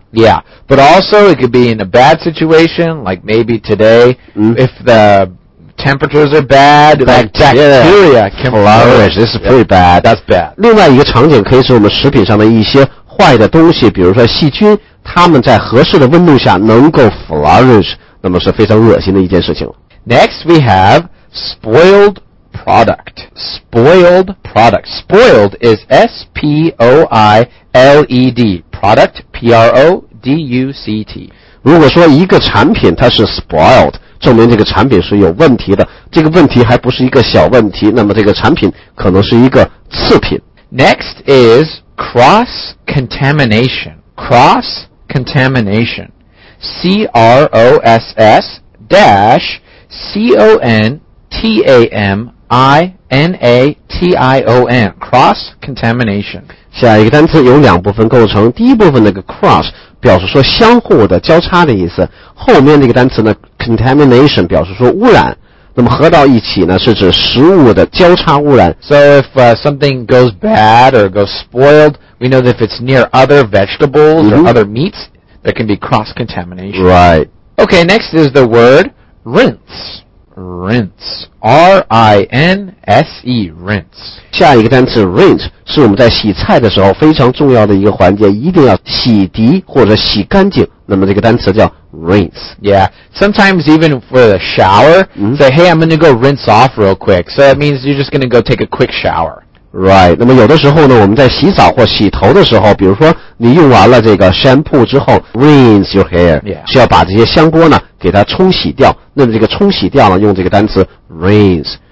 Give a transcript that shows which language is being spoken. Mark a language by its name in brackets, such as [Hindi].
[English] Yeah, but also it could be in a bad situation, like maybe today,、if the temperatures are bad, bacteria can flourish. This is pretty bad. That's bad. [Chinese] 另外一个场景可以是我们食品上的一些坏的东西，比如说细菌，它们在合适的温度下能够 flourish,那么是非常恶心的一件事情。 [English] Next we have spoiled product. Spoiled product. Spoiled is S-P-O-I-L-E-D. Product, P-R-O-D-U-C-T. [Chinese] 如果说一个产品它是 spoiled, 证明这个产品是有问题的，这个问题还不是一个小问题，那么这个产品可能是一个次品。 [English] Next is cross-contamination. Cross-contamination. C-R-O-S-S-C-O-N-T-A-M-I-N-A-T-I-O-N. Cross-contamination. [Chinese] 下一个单词有两部分构成，第一部分那个 cross 表示说相互的交叉的意思，后面那个单词呢 contamination 表示说污染，那么合到一起呢是指食物的交叉污染。 [English] So if something goes bad or goes spoiled, we know that if it's near other vegetables or other meats, there can be cross-contamination. Right. Okay, next is the word rinse. Rinse. R-I-N-S-E, rinse. [Chinese] 下一个单词 rinse 是我们在洗菜的时候非常重要的一个环节，一定要洗涤或者洗干净。那么这个单词叫 rinse. [English] Yeah, sometimes even for the shower,、say, hey, I'm going to go rinse off real quick. So that means you're just going to go take a quick shower. [Chinese] Right, 那么有的时候呢我们在洗澡或洗头的时候比如说你用完了这个 shampoo 之后 [English] rinse your hair,、 [Chinese] 需要把这些香波呢给它冲洗掉那么这个冲洗掉呢用这个单词 rinse.